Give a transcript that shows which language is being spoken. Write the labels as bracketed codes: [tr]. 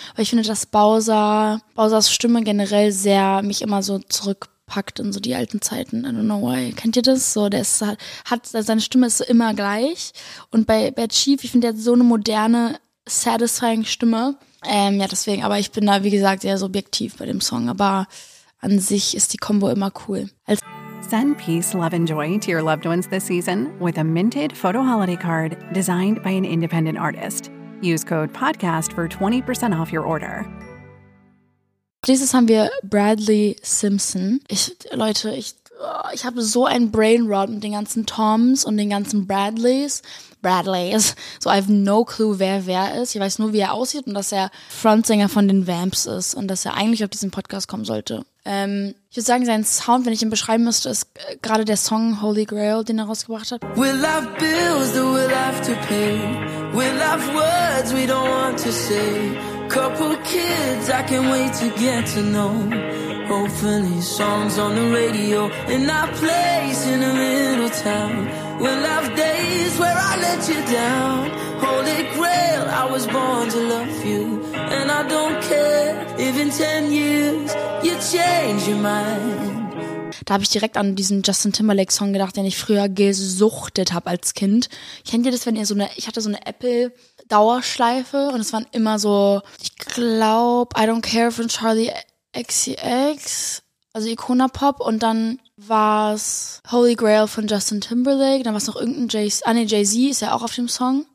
[de] Weil ich finde, dass Bowsers Stimme generell sehr mich immer so zurückpackt in so die alten Zeiten. [en] I don't know why. [de] Kennt ihr das? So, der ist seine Stimme ist so immer gleich. Und bei Chief, ich finde, der hat so eine moderne, satisfying Stimme. Deswegen, aber ich bin da, wie gesagt, sehr subjektiv bei dem Song, aber an sich ist die Combo immer cool. [en] Send peace, love and joy to your loved ones this season with a minted photo holiday card designed by an independent artist. Use code podcast for 20% off your order. [de] Dieses haben wir Bradley Simpson. Ich habe so ein Brainrot mit den ganzen Toms und den ganzen Bradleys. [en] So, I have no clue, [de] wer ist. Ich weiß nur, wie er aussieht und dass er Frontsänger von den Vamps ist und dass er eigentlich auf diesen Podcast kommen sollte. Ich würde sagen, sein Sound, wenn ich ihn beschreiben müsste, ist gerade der Song Holy Grail, den er rausgebracht hat. [en] We'll have bills that we'll have to pay. We'll have words we don't want to say. Couple kids I can't wait to get to know. Hopefully songs on the radio in our place in a little town. We'll have days where I let you down. Holy grail, I was born to love you. And I don't care if in 10 years you change your mind. [de] Da habe ich direkt an diesen Justin Timberlake Song gedacht, den ich früher gesuchtet habe als Kind. Kennt ihr das, wenn ihr ich hatte so eine Apple Dauerschleife und es waren immer so, ich glaube, I don't care von Charlie XCX, also Icona Pop, und dann war es Holy Grail von Justin Timberlake, dann war es noch irgendein Jay-Z ist ja auch auf dem Song.